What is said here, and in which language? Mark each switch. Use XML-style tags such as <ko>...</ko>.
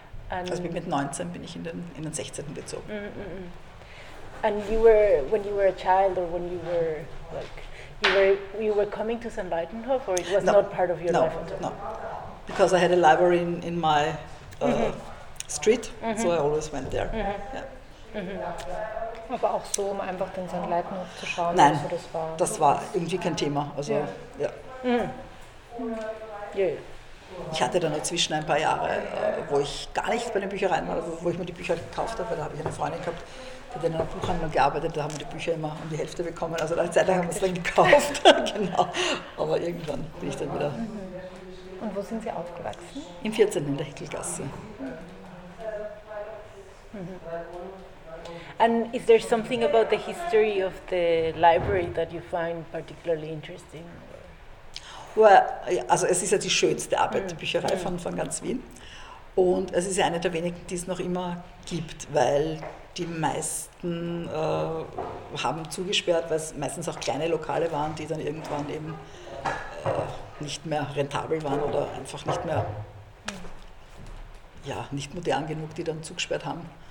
<de>And also mit 19 bin ich in den 16. gezogen.</de> <en>And when you were a child or when you were like You were coming to St. Leithenhof, or it was not part of your life at all? No, because I had a library in my street, so I always went there.</en> <de>Aber auch so, um einfach den St. Leithenhof zu schauen? Nein, also das war irgendwie kein Thema. Also, yeah. Yeah. Ich hatte dann dazwischen ein paar Jahre, wo ich gar nicht bei den Büchereien war, wo ich mir die Bücher gekauft habe, weil da habe ich eine Freundin gehabt, in einer Buchhandlung gearbeitet, da haben wir die Bücher immer um die Hälfte bekommen. Also eine Zeit lang haben wir es dann gekauft. Genau. Aber irgendwann bin ich dann wieder. Und wo sind Sie aufgewachsen? Im 14. in der Hickelgasse.</de> <en>And is there something about the history of the library that you find particularly interesting?</en> <de>Well, also es ist ja die schönste Arbeit, die Bücherei von ganz Wien. Und es ist ja eine der wenigen, die es noch immer gibt, weil die meisten haben zugesperrt, weil es meistens auch kleine Lokale waren, die dann irgendwann eben nicht mehr rentabel waren oder einfach nicht mehr, ja, nicht modern genug, die dann zugesperrt haben.</de>